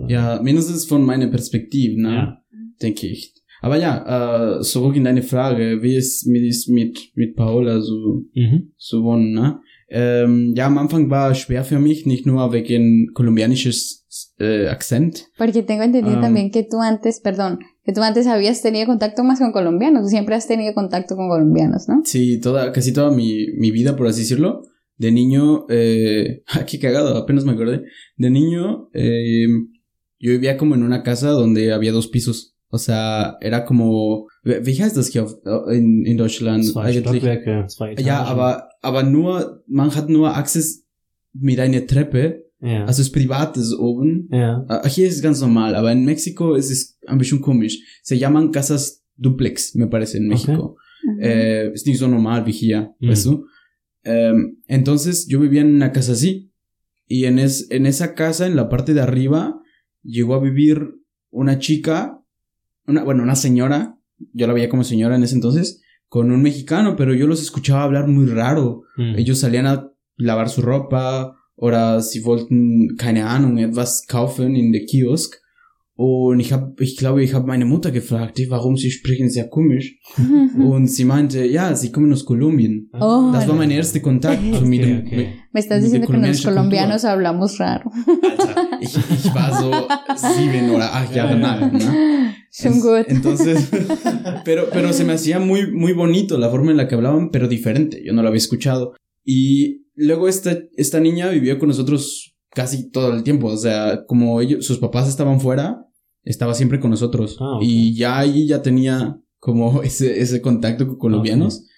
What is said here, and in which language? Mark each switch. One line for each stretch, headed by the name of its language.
German: Ja, mindestens von meiner Perspektive, ne? Denke ich. Aber ja, zurück in deine Frage, wie es mit Paola so, so wohnen, ne? Ja, am Anfang war schwer für mich, nicht nur wegen kolumbianisches Akzent.
Spanish: Porque tengo entendido también que tú antes, perdón, que tú antes habías tenido contacto más con colombianos, siempre has tenido contacto con colombianos, ¿no? Sí, casi toda mi vida, por así decirlo, de niño, qué cagado, apenas me acordé, de niño, yo vivía como en una casa donde había dos pisos. O sea, era como...
German: ¿Wie heißt das hier in Deutschland? Zwei eigentlich? Stockwerke, zwei Etagen. Ja, aber nur, man hat nur Access mit einer Treppe. Yeah. Also es privat ist oben. Yeah. Hier ist es ganz normal, aber in Mexiko ist es ein bisschen komisch.
Spanish: Se llaman casas duplex, me parece,
German: in Mexiko. Okay. Ist nicht so normal wie hier, weißt du?
Spanish: Entonces, yo vivía en una casa así. Y en esa casa, en la parte de arriba, llegó a vivir una chica... una señora, yo la veía como señora en ese entonces, con un mexicano, pero yo los escuchaba hablar muy raro. Ellos salían a lavar su ropa,
German: oder sie wollten, keine Ahnung, etwas kaufen in der Kiosk. Und ich glaube, ich habe meine Mutter gefragt, warum sie sprechen sehr komisch. Und sie meinte, ja, sie kommen aus Kolumbien. Oh, das war mein erster Kontakt. Okay,
Spanish: me estás
German: mit
Spanish: diciendo que los colombianos hablamos raro.
German: Alter, ich war so 7 oder 8 Jahre alt, ne? Schon gut.
Spanish: Entonces, pero se me hacía muy, muy bonito la forma en la que hablaban, pero diferente. Yo no lo había escuchado. Y luego esta niña vivió con nosotros casi todo el tiempo. O sea, como ellos, sus papás estaban fuera, estaba siempre con nosotros. Okay. Y ya ahí ya tenía como ese contacto con colombianos. Okay.